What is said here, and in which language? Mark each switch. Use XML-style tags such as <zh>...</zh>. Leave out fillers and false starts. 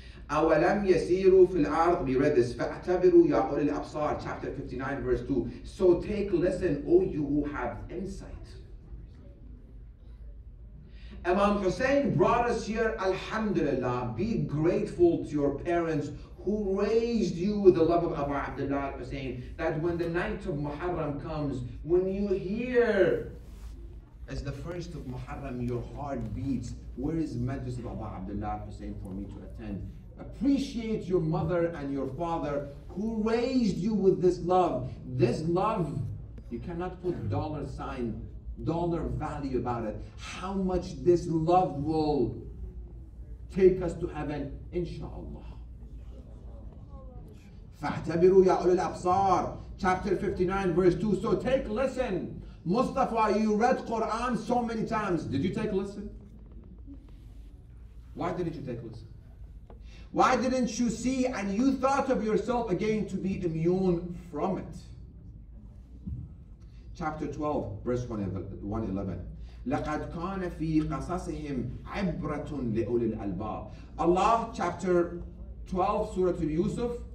<ar>أَوَلَمْ يَسِيرُوا فِي الْأَرْضِ</ar> <en>We read this.</en> <ar>فَاَعْتَبِرُوا يَا أُولِي الْأَبْصَارِ</ar> <en>Chapter 59, verse 2. So take listen, O you who have insight. Imam Hussein brought us here, Alhamdulillah, be grateful to your parents who raised you with the love of Abu Abdullah Hussein, that when the night of Muharram comes, when you hear as the first of Muharram, your heart beats. Where is Madrasa of Abu Abdullah Hussein for me to attend? Appreciate your mother and your father who raised you with this love. This love, you cannot put dollar sign, dollar value about it. How much this love will take us to heaven, inshallah.</en> <ar>فَاَعْتَبِرُوا يَا أُولِي الْأَبْصَارِ</ar> <en>Chapter 59, verse 2. So take listen. Mustafa, you read Quran so many times. Did you take listen? Why didn't you take listen? Why didn't you see and you thought of yourself again to be immune from it? Chapter 12, verse 111.</en> <ar>لَقَدْ كَانَ فِي قَصَصِهِمْ عِبْرَةٌ لِأُولِي الْأَلْبَابِ</ar> <en>Allah, chapter 12, Surah Yusuf.</en>